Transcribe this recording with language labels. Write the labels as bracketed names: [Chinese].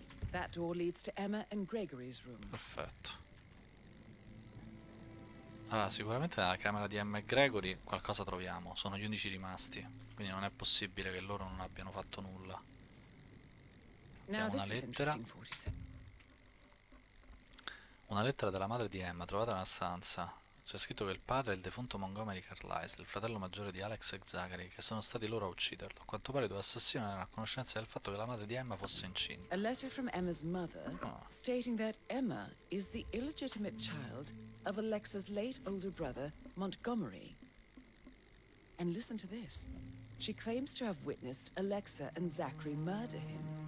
[English] That door leads to Emma and Gregory's room. [Italian] Perfetto. Allora, sicuramente nella camera di Emma e Gregory qualcosa troviamo. Sono gli unici rimasti, quindi non è possibile che loro non abbiano fatto nulla. Abbiamo una lettera. Una lettera della madre di Emma trovata nella stanza. C'è scritto che il padre è il defunto Montgomery Carlisle, il fratello maggiore di Alex e Zachary, che sono stati loro a ucciderlo. A quanto pare i due assassini erano a conoscenza del fatto che la madre di Emma fosse incinta. [English] A letter from Emma's mother, stating that Emma is the illegitimate child of Alex's late older brother, Montgomery. And listen to this. She claims to have witnessed Alexa and Zachary murder him.